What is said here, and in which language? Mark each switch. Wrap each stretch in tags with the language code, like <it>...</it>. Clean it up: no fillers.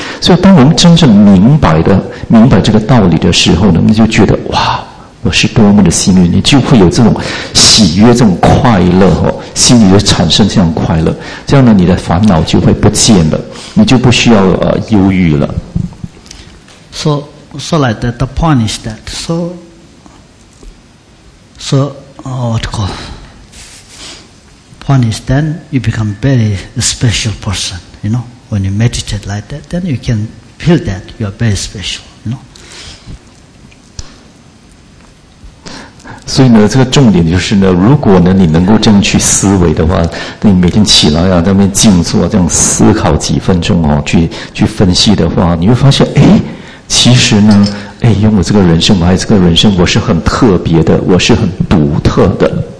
<zh>所以当我们真正明白这个道理的时候呢，我们就觉得哇，我是多么的幸运，你就会有这种喜悦，这种快乐哦，心里就产生这样快乐，这样呢，你的烦恼就会不见了，你就不需要忧郁了。</zh> <en>So like that, the point is that point is then you become very special person, you know. When you meditate like that, then you can feel that you are very special, you know.</en> <zh>所以呢，这个重点就是呢，如果呢你能够这样去思维的话，那你每天起来啊，在那边静坐，这样思考几分钟哦，去分析的话，你会发现，哎，其实呢，哎，用我这个人生，我还这个人生，我是很特别的，我是很独特的。</zh>